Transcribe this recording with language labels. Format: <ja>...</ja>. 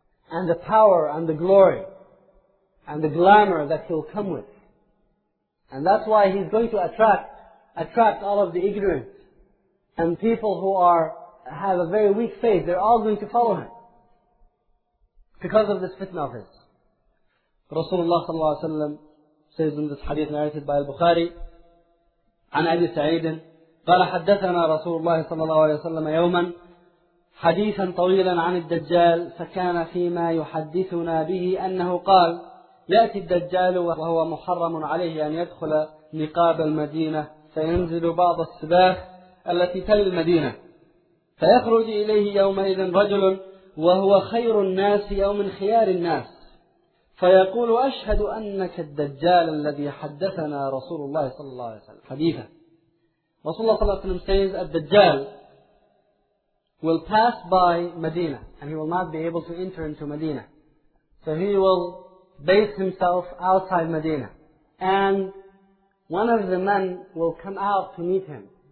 <en>And the power and the glory. And the glamour that he'll come with. And that's why he's going to attract all of the ignorant. And people who have a very weak faith, they're all going to follow him because of this fitna of his. Rasulullah sallallahu alayhi wa sallam says in this hadith narrated by al-Bukhari,</en> <ar>عن أبي سعيد قال حدثنا رسول الله صلى الله عليه وسلم يوما حديثا طويلا عن الدجال فكان فيما يحدثنا به أنه قال يأتي الدجال وهو محرم عليه أن يدخل نقاب المدينة فينزل بعض السباخ التي تلي المدينة فيخرج إليه يومئذ رجل وهو خير الناس أو من خيار الناس فيقول أشهد أنك الدجال الذي حدثنا رسول الله صلى الله عليه وسلم حديثا.</ar> <en>رسول الله صلى الله عليه وسلم says الدجال will pass by Medina and he will not be able to enter into Medina, so he will base himself outside Medina and one of the men will come out to meet him.</en>